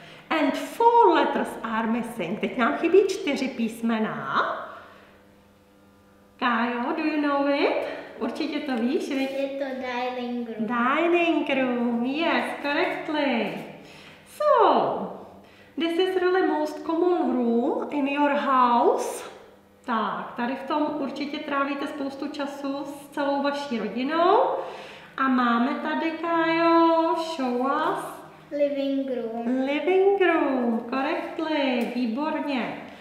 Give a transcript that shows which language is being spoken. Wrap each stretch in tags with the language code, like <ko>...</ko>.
<en>And four letters are missing.</en> <cs>Teď nám chybí čtyři písmena.</cs> <en>Kájo, do you know it?</en> <cs>Určitě to víš, viď? Je to dining room.</cs> <en>Dining room, yes, correctly. So, this is really most common room in your house.</en> <cs>Tak, tady v tom určitě trávíte spoustu času s celou vaší rodinou. A máme tady, Kájo,</cs> <en>show us. Living room. Living room, correctly, výborně.</en>